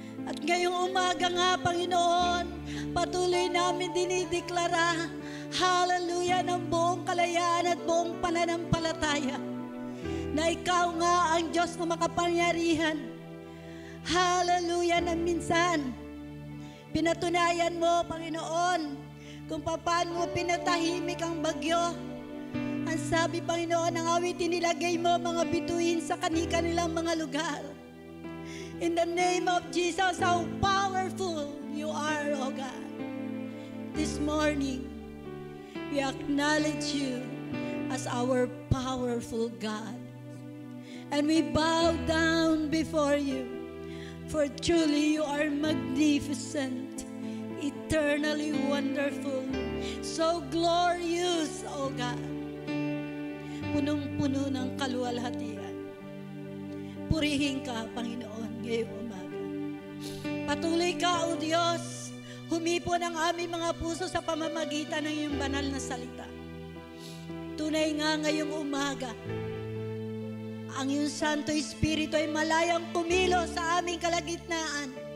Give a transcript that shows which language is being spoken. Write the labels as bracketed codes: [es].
[tl] At ngayong umaga nga, Panginoon, patuloy namin dinideklara, hallelujah, ng buong kalayaan at buong pananampalataya na ikaw nga ang Diyos na makapangyarihan. Hallelujah, na minsan pinatunayan mo, Panginoon, kung paano mo pinatahimik ang bagyo. Ang sabi, Panginoon, ang awit inilagay mo mga bituin sa kani-kanilang mga lugar. [en] In the name of Jesus, how powerful you are, O God. This morning, we acknowledge you as our powerful God. And we bow down before you, for truly you are magnificent, eternally wonderful, so glorious, O God. [tl] Punong-puno ng kaluwalhatian. Purihin ka, Panginoon, ngayong umaga. Patuloy ka, O Diyos, humipon ang aming mga puso sa pamamagitan ng iyong banal na salita. Tunay nga ngayong umaga, ang iyong Santo Espiritu ay malayang kumilos sa aming kalagitnaan.